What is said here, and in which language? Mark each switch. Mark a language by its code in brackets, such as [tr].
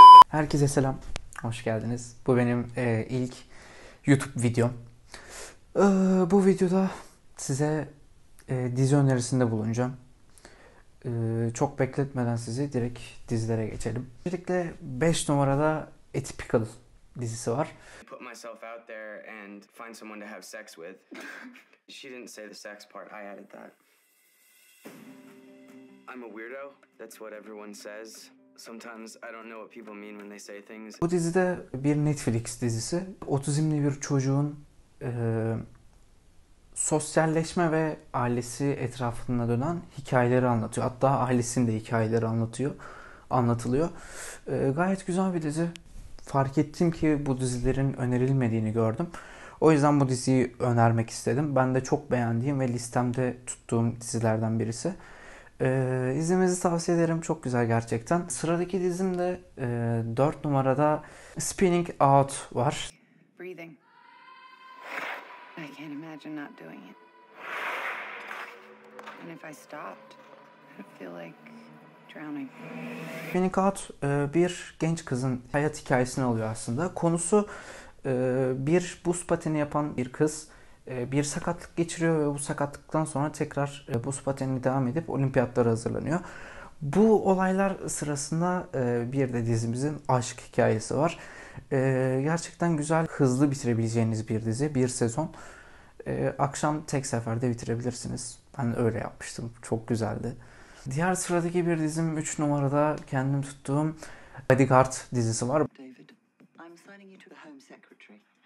[tr] Herkese selam. Hoş geldiniz. Bu benim ilk YouTube videom. Bu videoda size dizi önerisinde bulunacağım. Çok bekletmeden sizi direkt dizilere geçelim. Öncelikle 5 numarada Atypical dizisi var. [en] Put myself out there and find someone to have sex with. She didn't say the sex part. I added that. I'm a weirdo. That's what everyone says. Sometimes I don't know what people mean when they say things. [tr] Bu dizide bir Netflix dizisi. Otizmli bir çocuğun sosyalleşme ve ailesi etrafında dönen hikayeleri anlatıyor. Hatta ailesinin de hikayeleri anlatılıyor. Gayet güzel bir dizi. Fark ettim ki bu dizilerin önerilmediğini gördüm. O yüzden bu diziyi önermek istedim. Ben de çok beğendiğim ve listemde tuttuğum dizilerden birisi. İzlemenizi tavsiye ederim. Çok güzel gerçekten. Sıradaki dizim de 4 numarada Spinning Out var. Breathing. [en] I can't imagine not doing it. And if I stopped, I'd feel like drowning. [tr] Spinning Out bir genç kızın hayat hikayesini alıyor aslında. Konusu bir buz pateni yapan bir kız. Bir sakatlık geçiriyor ve bu sakatlıktan sonra tekrar buz patenini devam edip olimpiyatlara hazırlanıyor. Bu olaylar sırasında bir de dizimizin aşk hikayesi var. Gerçekten güzel, hızlı bitirebileceğiniz bir dizi, bir sezon. Akşam tek seferde bitirebilirsiniz. Ben öyle yapmıştım, çok güzeldi. Diğer sıradaki bir dizim 3 numarada kendim tuttuğum Bodyguard dizisi var. [en] David, I'm signing you to the Home Secretary.